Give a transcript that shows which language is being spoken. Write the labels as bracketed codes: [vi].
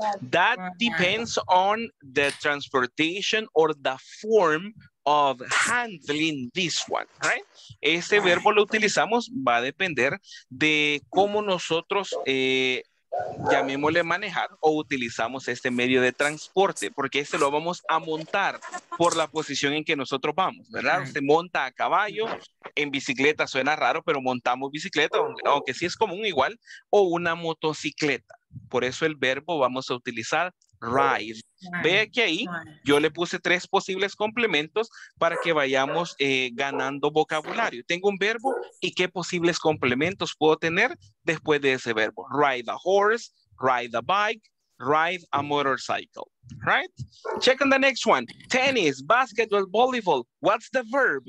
[en] That depends on the transportation or the form of handling this one, right? [es] Ese verbo lo utilizamos, va a depender de cómo nosotros llamémosle manejar o utilizamos este medio de transporte, porque este lo vamos a montar por la posición en que nosotros vamos, ¿verdad? Se monta a caballo, en bicicleta suena raro, pero montamos bicicleta, aunque sí es común igual, o una motocicleta. Por eso el verbo vamos a utilizar ride. Vea que ahí yo le puse tres posibles complementos para que vayamos ganando vocabulario. Tengo un verbo y qué posibles complementos puedo tener después de ese verbo. [en] Ride a horse, ride a bike, ride a motorcycle. Right? Check on the next one. Tennis, basketball, volleyball. What's the verb?